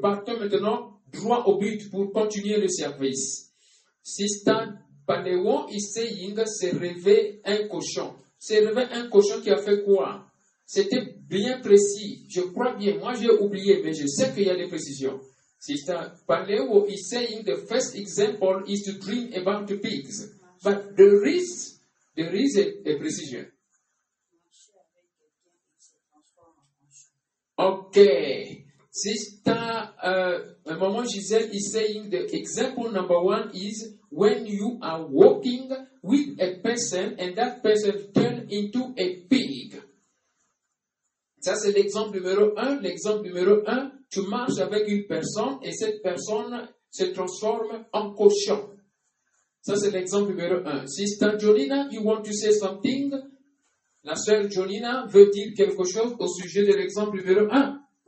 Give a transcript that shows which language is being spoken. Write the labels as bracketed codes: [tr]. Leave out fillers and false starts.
[fr] Partons maintenant droit au but pour continuer le service. [en] Sister Paneo is saying [fr] se réveille un cochon. Se réveille un cochon qui a fait quoi? C'était bien précis. Je crois bien. Moi, j'ai oublié, mais je sais qu'il y a des précisions. [en] Sister Paleo is saying the first example is to dream about the pigs. But there is a precision. OK. Sister, Maman Gisèle is saying the example number one is when you are walking with a person and that person turns into a pig. [fr] Ça, c'est l'exemple numéro un. L'exemple numéro un, tu marches avec une personne et cette personne se transforme en cochon. Ça, c'est l'exemple numéro un. Sister Jolina, [en] you want to say something? [fr] La sœur Jolina veut dire quelque chose au sujet de l'exemple numéro un.